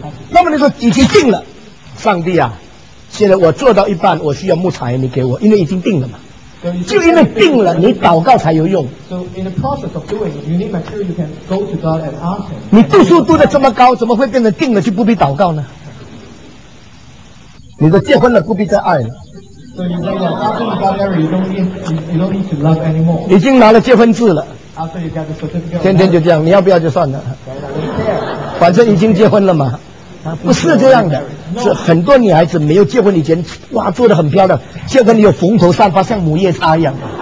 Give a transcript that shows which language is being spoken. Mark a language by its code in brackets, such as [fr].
[zh] 那么你说已经定了，上帝啊，现在我做到一半，我需要木材，你给我，因为已经定了嘛，就因为定了，你祷告才有用。 [en] So in the process of doing, you need material, you can go to God and ask Him. [zh] 你度数度得这么高，怎么会变成定了就不必祷告呢？你都结婚了，不必再爱了。 [en] So you say that after you got married, you don't need to love anymore. [zh] 已经拿了结婚证了。 [en] After you got the certificate. [zh] 天天就这样，你要不要就算了。反正已经结婚了嘛。不是这样的，是很多女孩子没有结婚以前，哇，做得很漂亮，结婚又蓬头散发，像母夜叉一样。